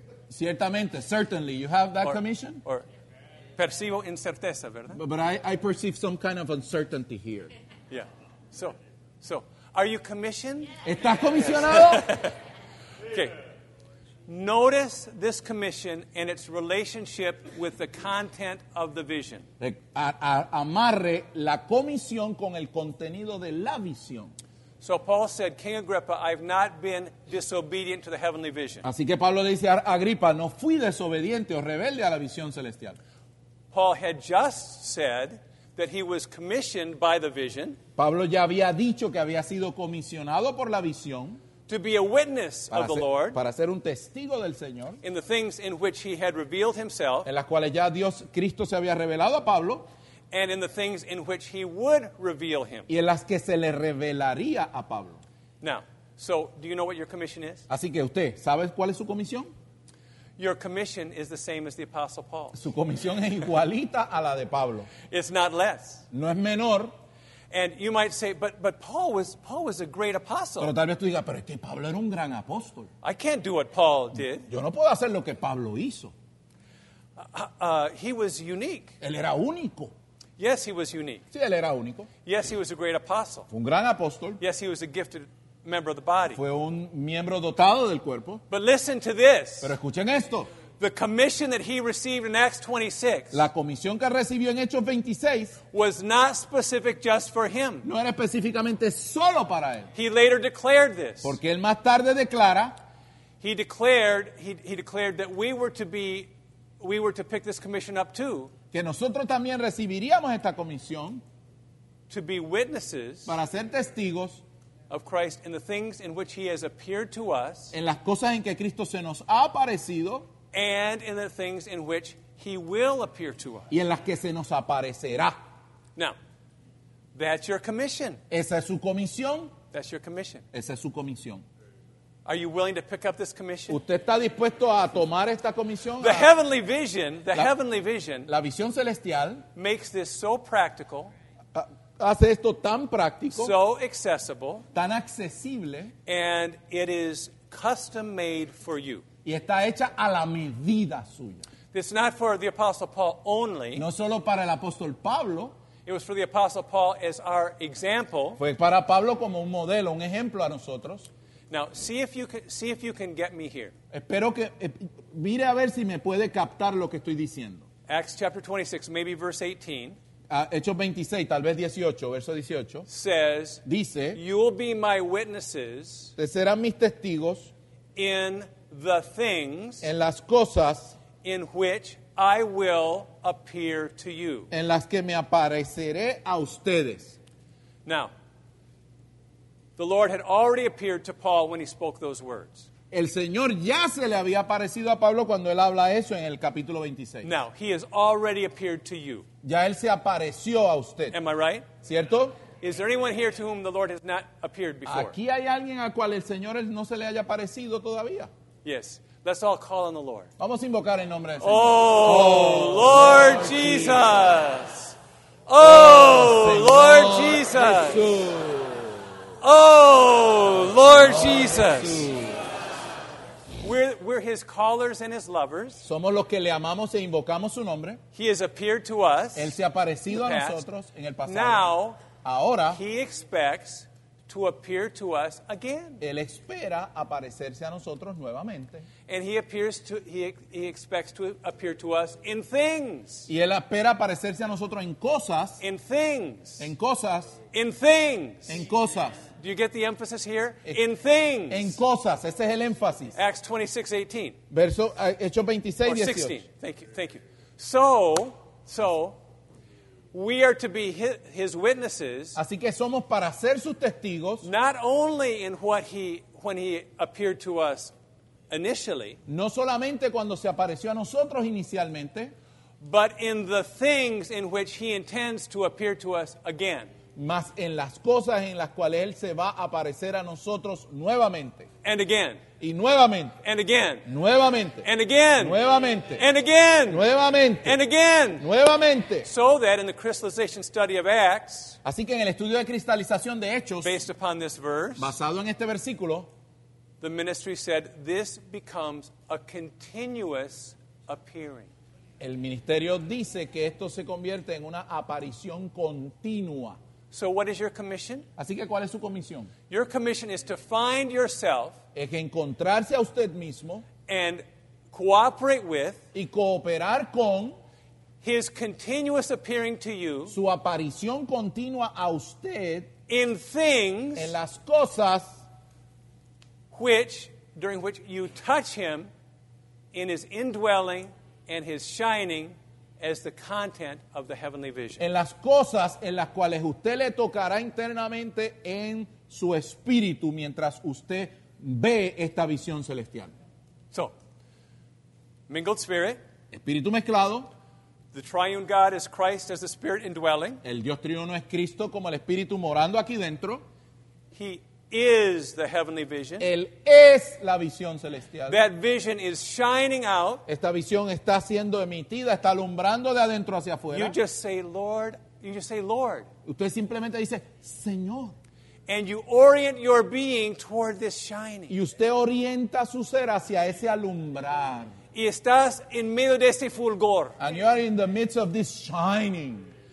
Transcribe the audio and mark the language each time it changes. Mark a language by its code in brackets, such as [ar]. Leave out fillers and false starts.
[en] Ciertamente, certainly, you have that commission. [es] Or percibo incerteza, ¿verdad? [en] But I perceive some kind of uncertainty here. Yeah. So are you commissioned? [es] ¿Estás comisionado? [en] Okay. Notice this commission and its relationship with the content of the vision. [es] Amarre la comisión con el contenido de la visión. [en] So Paul said, King Agrippa, I've not been disobedient to the heavenly vision. [es] Así que Pablo dice a Agripa, no fui desobediente o rebelde a la visión celestial. [en] Paul had just said that he was commissioned by the vision. [es] Pablo ya había dicho que había sido comisionado por la visión. [en] To be a witness of the Lord. [es] Para ser un testigo del Señor. [en] In the things in which he had revealed himself. [es] En las cuales ya Dios Cristo se había revelado a Pablo. [en] And in the things in which he would reveal him. [es] Y en las que se le revelaría a Pablo. [en] Now, so do you know what your commission is? [es] Así que usted, ¿sabe cuál es su comisión? [en] Your commission is the same as the Apostle Paul. [es] Su comisión es igualita a la de Pablo. [en] It's not less. [es] No es menor. [en] And you might say, but Paul was a great apostle. [es] Pero tal vez tú digas, pero es que Pablo era un gran apóstol. [en] I can't do what Paul did. [es] Yo no puedo hacer lo que Pablo hizo. [en] He was unique. [es] Él era único. [en] Yes, he was unique. [es] Sí, él era único. [en] Yes, he was a great apostle. [es] Fue un gran apóstol. [en] Yes, he was a gifted member of the body. [es] Fue un miembro dotado del cuerpo. [en] But listen to this. [es] Pero escuchen esto. [en] The commission that he received in Acts 26, [es] la comisión que recibió en Hechos 26, [en] was not specific just for him. [es] No era específicamente solo para él. [en] He later declared this. [es] Porque él más tarde declara, [en] he declared that we were to pick this commission up too. [es] Que nosotros también recibiríamos esta comisión, [en] to be witnesses, [es] para ser testigos [en] of Christ in the things in which he has appeared to us, [es] en las cosas en que Cristo se nos ha aparecido, [en] and in the things in which he will appear to us. [es] Y en las que se nos aparecerá. [en] Now, that's your commission. [es] Esa es su comisión. [en] That's your commission. [es] Esa es su comisión. [en] Are you willing to pick up this commission? [es] ¿Usted está dispuesto a tomar esta comisión? [en] The heavenly vision, the heavenly vision, [es] la visión celestial, [en] makes this so practical, [es] hace esto tan práctico, [en] so accessible, [es] tan accesible, [en] and it is custom made for you. [es] Y está hecha a la medida suya. [en] It's not for the Apostle Paul only. [es] No solo para el apóstol Pablo. [en] It was for the Apostle Paul as our example. [es] Fue para Pablo como un modelo, un ejemplo a nosotros. [en] Now, see if you can get me here. [es] Espero que mire a ver si me puede captar lo que estoy diciendo. [en] Acts chapter 26, maybe verse 18. [es] Hechos 26, tal vez 18, verso 18. [en] Says, [es] dice, [en] you'll be my witnesses. [es] Te serán mis testigos. [en] In the things, [es] en las cosas, [en] in which I will appear to you, [es] en las que me apareceré a ustedes. [en] Now, the Lord had already appeared to Paul when he spoke those words. [es] El Señor ya se le había aparecido a Pablo cuando él habla eso en el capítulo 26. [en] Now, he has already appeared to you. [es] Ya él se apareció a usted. [en] Am I right? [es] ¿Cierto? [en] Is there anyone here to whom the Lord has not appeared before? [es] Aquí hay alguien al cual el Señor no se le haya aparecido todavía. [en] Yes, let's all call on the Lord. [es] Vamos a invocar el nombre del Señor. [en] Oh, Lord Jesus. Oh, Lord Jesus. Oh, Lord Jesus. We're his callers and his lovers. [es] Somos los que le amamos e invocamos su nombre. [en] He has appeared to us. [es] Él se ha aparecido a nosotros en el pasado. [en] Now, [es] ahora, [en] he expects to appear to us again. [es] Él espera aparecerse a nosotros nuevamente. [en] And he expects to appear to us in things. [es] Y él espera aparecerse a nosotros en cosas. [en] In things. [es] En cosas. [en] In things. [es] En cosas. [en] Do you get the emphasis here? In things. [es] En cosas. Ese es el énfasis. [en] Acts 26:18. [es] Verso Hechos 26, 18. [en] 16. Thank you. So. We are to be his witnesses. [es] Así que somos para ser sus testigos. [en] Not only in what when he appeared to us initially. [es] No solamente cuando se apareció a nosotros inicialmente. [en] But in the things in which he intends to appear to us again. [es] Mas en las cosas en las cuales él se va a aparecer a nosotros nuevamente. [en] And again. [es] Y nuevamente. [en] And again. [es] Nuevamente. [en] And again. [es] Nuevamente. [en] And again. [es] Nuevamente. [en] And again. [es] Nuevamente. [en] So that in the crystallization study of Acts, [es] así que en el estudio de cristalización de Hechos, [en] based upon this verse, [es] basado en este versículo, [en] the ministry said this becomes a continuous appearing. [es] El ministerio dice que esto se convierte en una aparición continua. [en] So what is your commission? [es] Así que ¿cuál es su comisión? [en] Your commission is to find yourself, [es] es encontrarse a usted mismo, [en] and cooperate with, [es] y cooperar con, [en] his continuous appearing to you, [es] su aparición continua a usted, [en] in things, [es] en las cosas, [en] which, during which you touch him in his indwelling and his shining, as the content of the heavenly vision. [es] En las cosas en las cuales usted le tocará internamente en su espíritu mientras usted ve esta visión celestial. [en] So, mingled spirit. [es] Espíritu mezclado. [en] The triune God is Christ as the Spirit indwelling. [es] El Dios triuno es Cristo como el Espíritu morando aquí dentro. [en] He is the heavenly vision. [es] Él es la visión celestial. [en] That vision is shining out. [es] Esta visión está siendo emitida, está alumbrando de adentro hacia afuera. [en] You just say Lord. [es] Usted simplemente dice Señor. [en] And you orient your being toward this shining. [es] Y usted orienta su ser hacia ese alumbrar. y estás en medio de ese fulgor. [en] And you are in the midst of this shining.